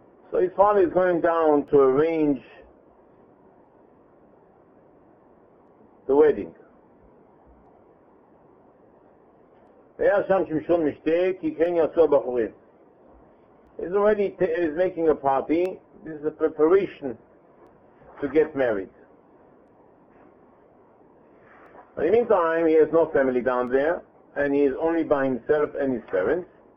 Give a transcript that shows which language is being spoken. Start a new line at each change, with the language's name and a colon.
English: So his father is going down to arrange the wedding.
Hebrew: והיה שם שמשון משתה כי כן יעשו הבחורים.
English: He's already is making a party. This is a preparation to get married. But in the meantime, he has no family down there, and he is only by himself and his parents.